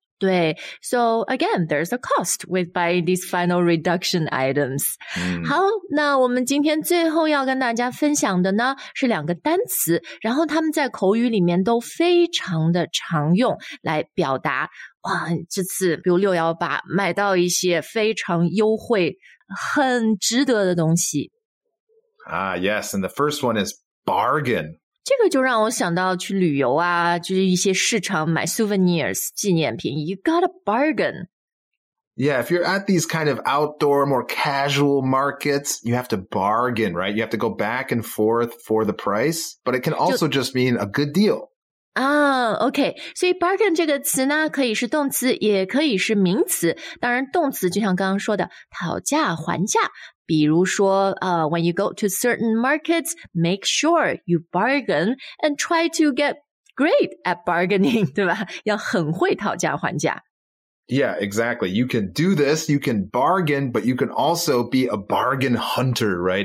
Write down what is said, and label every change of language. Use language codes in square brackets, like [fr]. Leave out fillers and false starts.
[zh] 对 [en] So again, there's a cost with buying these final reduction items. [zh] 好那我们今天最后要跟大家分享的呢是两个单词然后他们在口语里面都非常的常用来表达哇这次比如618买到一些非常优惠很值得的东西。 [en] Ah, yes. And the first one is bargain. [zh] 这个就让我想到去旅游啊，就是一些市场买 souvenirs, 纪念品。 [en] You got a bargain. Yeah, if you're at these kind of outdoor, more casual markets, you have to bargain, right? You have to go back and forth for the price. But it can also just mean a good deal. [zh] OK. 所以 bargain 这个词呢，可以是动词，也可以是名词。当然动词就像刚刚说的，讨价还价。比如说 [en] when you go to certain markets, make sure you bargain and try to get great at bargaining, [zh] 对吧？要很会讨价还价。 [en] Yeah, exactly. You can do this, you can bargain, but you can also be a bargain hunter, right?